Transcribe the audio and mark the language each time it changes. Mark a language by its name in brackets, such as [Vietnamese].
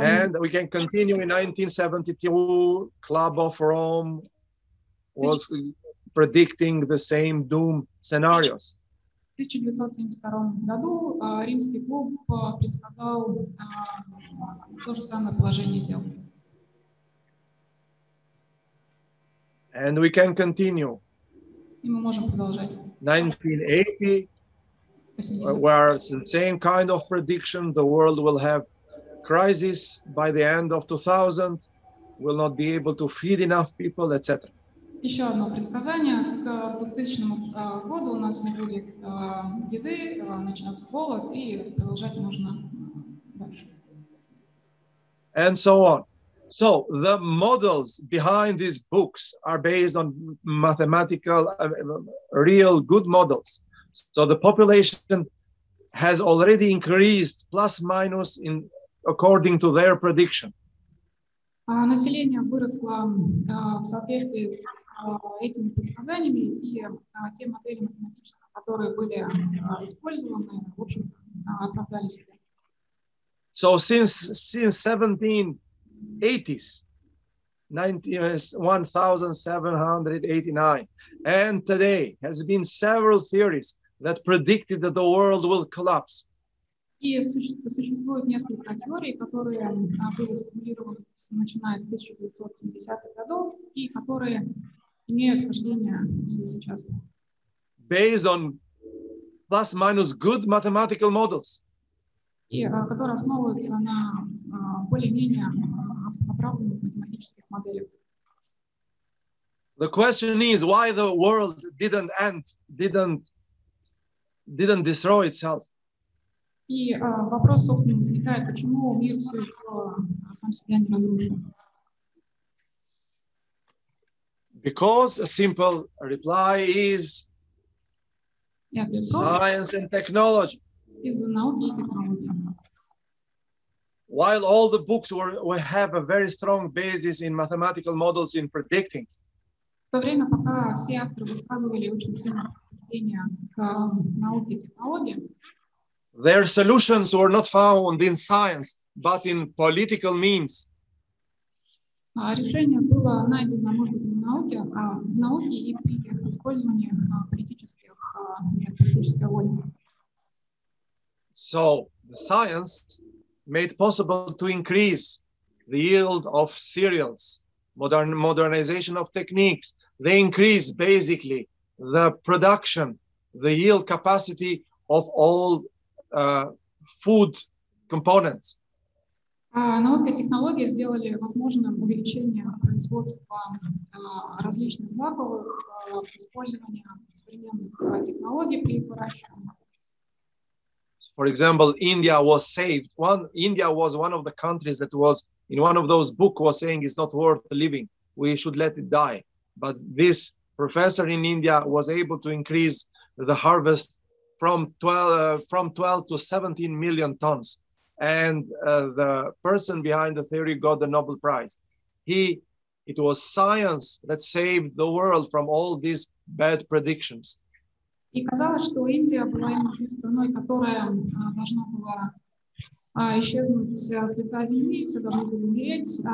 [English] And we can continue in 1972, Club of Rome was predicting the same doom scenarios. [Russian] В 1972 году римский клуб предсказал то же самое положение дел. [English] And we can continue. [Russian] И мы можем продолжать. [English] 1980, where it's the same kind of prediction, the world will have crisis by the end of 2000, will not be able to feed enough people, etc. [Russian] Еще одно предсказание. К 2000 году у нас не будет еды, начнется голод, и продолжать нужно дальше. [English] And so on. So, the models behind these books are based on mathematical, real good models. So, the population has already increased plus minus in according to their prediction. [Russian] Население выросло в соответствии с этими предсказаниями, и те модели математические, которые были использованы, в общем, оправдали себя. [English] So since 1780s, 1789, and today has been several theories that predicted that the world will collapse. [Russian] И существует несколько теорий, которые были сформулированы, начиная с 1970-х годов, и которые имеют хождение и сейчас. [English] Based on plus-minus good mathematical models. [Russian] И которые основываются на более-менее оправданных математических моделях. [English] The question is, why the world didn't end, didn't destroy itself? [Russian] И вопрос, собственно, возникает, почему мир все еще сам себя не разрушил? [English] Because a simple reply is science and technology. [Russian] Из науки и технологии. [English] While all the books were have a very strong basis in mathematical models in predicting. [Russian] В то время, пока все авторы высказывали очень сильное впечатление к науке и технологии, [English] their solutions were not found in science, but in political means. [Russian] Решение было найдено, может быть, не в науке, а в науке и при использовании политической воли. [English] So the science made possible to increase the yield of cereals, modernization of techniques. They increase basically the production, the yield capacity of all food components. [Russian] Наука и технологии сделали возможным увеличение производства различных злаковых, использование современных технологий при выращивании. [English] For example, India was saved. India was one of the countries that was in one of those books was saying it's not worth living. We should let it die. But this professor in India was able to increase the harvest from 12 to 17 million tons. And the person behind the theory got the Nobel Prize. It was science that saved the world from all these bad predictions. [Russian] И казалось, что Индия была единственной страной, которая должна была исчезнуть с лица земли, все должны были умереть.